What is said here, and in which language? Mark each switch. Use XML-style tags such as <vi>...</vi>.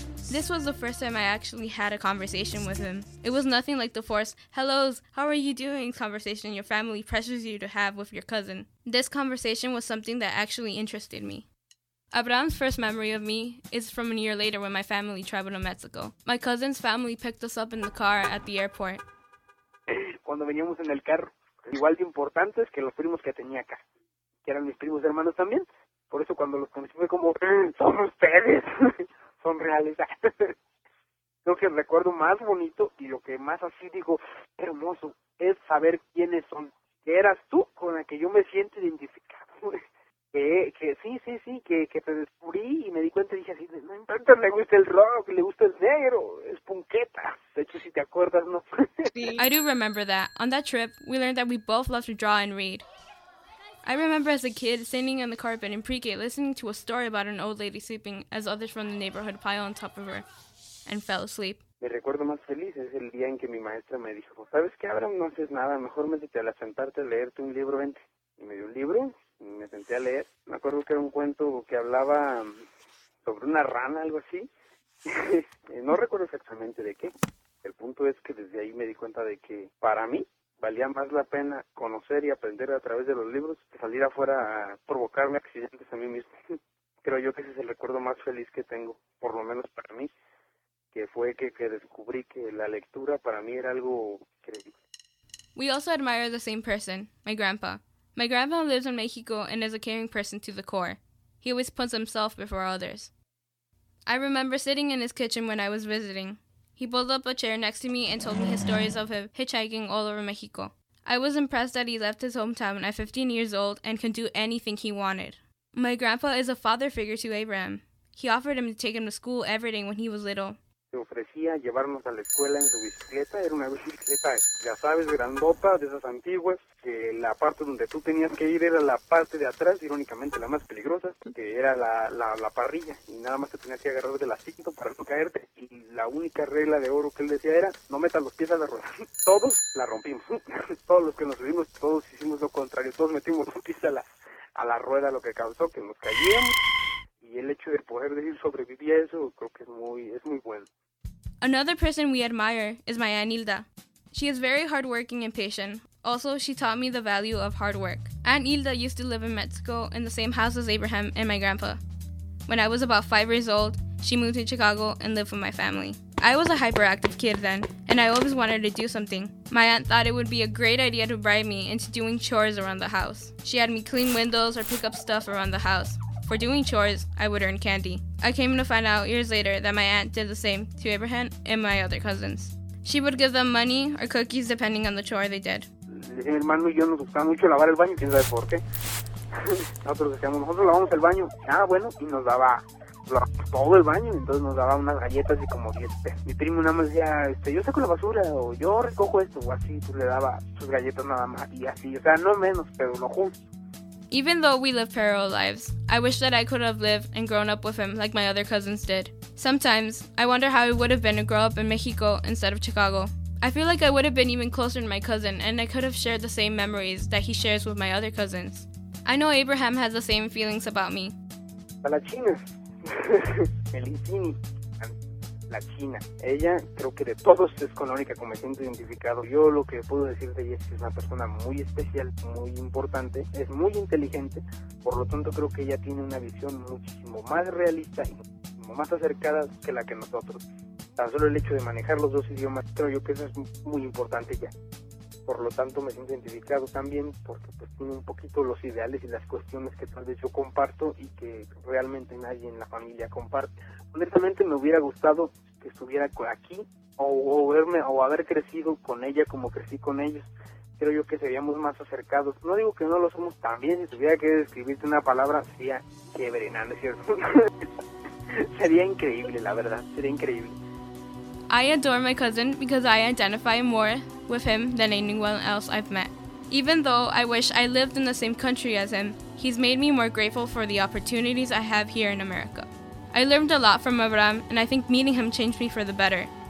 <en>This was the first time I actually had a conversation with him. It was nothing like the forced, hellos, how are you doing conversation your family pressures you to have with your cousin. This conversation was something that actually interested me. Abraham's first memory of me is from a year later when my family traveled to Mexico. My cousin's family picked us up in the car at the airport.</en> <es>Cuando veníamos en el carro, igual de importante es que los primos que tenía acá, que eran mis primos hermanos también, por eso cuando los conocí fue como, son ustedes, son reales. Lo que recuerdo más bonito y lo que más así digo, hermoso, es saber quiénes son, que eras tú con la que yo me siento identificado. Que te descubrí y me di cuenta y dije así, no importa, le gusta el rock, le gusta el negro, es punqueta. De hecho, si te acuerdas, ¿no?</es> <en>I do remember that. On that trip, we learned that we both love to draw and read. I remember as a kid standing on the carpet in pre-K listening to a story about an old lady sleeping as others from the neighborhood pile on top of her and fell asleep.</en> <es>Me recuerdo más feliz es el día en que mi maestra me dijo, ¿sabes qué, Abraham? No haces nada, mejor métete a sentarte a leerte un libro, vente. Y me dio un libro y me senté a leer. Me acuerdo que era un cuento que hablaba sobre una rana, algo así. No recuerdo exactamente de qué. El punto es que desde ahí me di cuenta de que para mí, valía más la pena conocer y aprender a través de los libros que salir afuera a provocarme accidentes a mí mismo. Creo yo que ese es el recuerdo más feliz que tengo, por lo menos para mí, que fue que descubrí que la lectura para mí era algo increíble.</es> <en>We also admire the same person, my grandpa. My grandpa lives in Mexico and is a caring person to the core. He always puts himself before others. I remember sitting in his kitchen when I was visiting. He pulled up a chair next to me and told me his stories of him hitchhiking all over Mexico. I was impressed that he left his hometown at 15 years old and could do anything he wanted. My grandpa is a father figure to Abraham. He offered him to take him to school every day when he was little.</en> <es>Se ofrecía llevarnos a la escuela en su bicicleta. Era una bicicleta, ya sabes, grandota, de esas antiguas, que la parte donde tú tenías que ir era la parte de atrás, irónicamente la más peligrosa, que era la parrilla, y nada más te tenías que agarrar del asiento para no caerte. Y la única regla de oro que él decía era, no metas los pies a la rueda. Todos la rompimos. Todos los que nos subimos, todos hicimos lo contrario. Todos metimos los pies a la rueda, lo que causó que nos caíamos. Y el hecho de poder decir sobreviví a eso, creo que es muy bueno.</es> <en>Another person we admire is my Aunt Hilda. She is very hardworking and patient. Also, she taught me the value of hard work. Aunt Hilda used to live in Mexico in the same house as Abraham and my grandpa. When I was about 5 years old, she moved to Chicago and lived with my family. I was a hyperactive kid then, and I always wanted to do something. My aunt thought it would be a great idea to bribe me into doing chores around the house. She had me clean windows or pick up stuff around the house. For doing chores, I would earn candy. I came to find out years later that my aunt did the same to Abraham and my other cousins. She would give them money or cookies depending on the chore they did.</en> <es>Mi hermano y yo nos gustaba mucho lavar el baño, quién sabe por qué. Nosotros decíamos, nosotros lavamos el baño. Ah, bueno, y nos daba todo el baño, entonces nos daba unas galletas y como 10 pesos. Mi primo nada más decía, yo saco la basura o yo recojo esto o así, pues le daba sus galletas nada más y así, o sea, no menos, pero lo justo.</es> <en>Even though we live parallel lives, I wish that I could have lived and grown up with him like my other cousins did. Sometimes, I wonder how it would have been to grow up in Mexico instead of Chicago. I feel like I would have been even closer to my cousin and I could have shared the same memories that he shares with my other cousins. I know Abraham has the same feelings about me.</en> <es>A la China. Melicini. La China. Ella, creo que de todos es con la única que me siento identificado. Yo lo que puedo decir de ella es que es una persona muy especial, muy importante, es muy inteligente. Por lo tanto, creo que ella tiene una visión muchísimo más realista y muchísimo más acercada que la que nosotros. Tan solo el hecho de manejar los dos idiomas, creo yo que eso es muy importante ya. Por lo tanto, me siento identificado también porque pues tiene un poquito los ideales y las cuestiones que tal vez yo comparto y que realmente nadie en la familia comparte. Honestamente, me hubiera gustado que estuviera aquí o haber crecido con ella como crecí con ellos. Creo yo que seríamos más acercados. No digo que no lo somos tan bien. Si tuviera que describirte una palabra, sería chévere, ¿no es cierto? Sería increíble, la verdad. Sería increíble.</es> <en>I adore my cousin because I identify more with him than anyone else I've met. Even though I wish I lived in the same country as him, he's made me more grateful for the opportunities I have here in America. I learned a lot from Abraham, and I think meeting him changed me for the better.</en>